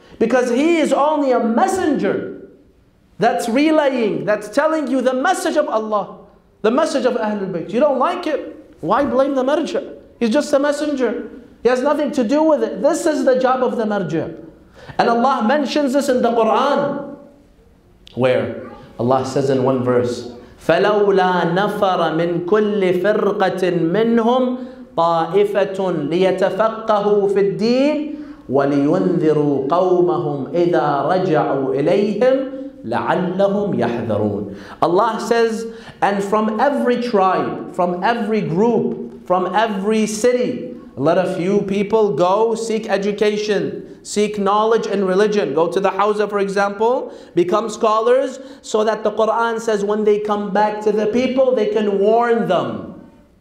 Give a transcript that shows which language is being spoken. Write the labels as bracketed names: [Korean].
[English] Because he is only a messenger that's relaying, that's telling you the message of Allah, the message of Ahlul Bayt. You don't like it, why blame the marja'? He's just a messenger. He has nothing to do with it. This is the job of the marja. And Allah mentions this in the Quran. Where? Allah says in one verse, [Arabic] فَلَوْلَا نَفَرَ مِنْ كُلِّ فِرْقَةٍ مِّنْهُمْ طَائِفَةٌ لِيَتَفَقَّهُوا فِي الدِّينِ وَلِيُنذِرُوا قَوْمَهُمْ إِذَا رَجَعُوا إِلَيْهِمْ لَعَلَّهُمْ يَحْذَرُونَ. [English] Allah says, and from every tribe, from every group, from every city, let a few people go seek education, seek knowledge and religion. Go to the Hawza, for example, become scholars, so that the Quran says when they come back to the people, they can warn them.